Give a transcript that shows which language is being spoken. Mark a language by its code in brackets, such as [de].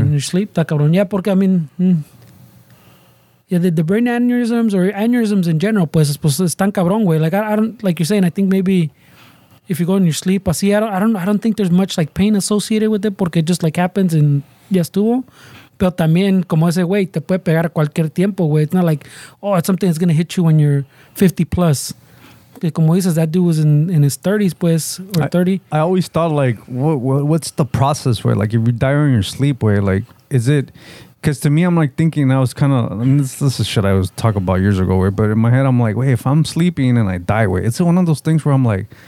[en] In your sleep, [es] ta cabrón. [en] Yeah, [es] porque [en] I mean, the brain aneurysms or aneurysms in general, [es] pues es tan cabrón, way. [en] Like I don't, like you're saying, I think maybe if you go in your sleep, I don't think there's much like pain associated with it, [es] porque [en] it just like happens and [es] ya estuvo. Pero también, como ese güey, te puede pegar a cualquier tiempo, güey. [en] It's not like, oh, it's something that's going to hit you when you're 50 plus. [es] Que como dices, [en] that dude was in his 30s, [es] pues, [en] or 30. I always thought, like, what's the process, where, like, if you die in your sleep, where, like, is it... Because to me, I'm like thinking, I was kind of, I mean, this is shit I was talking about years ago, where, but in my head, I'm like, wait, if I'm sleeping and I die, wait, it's one of those things where I'm like...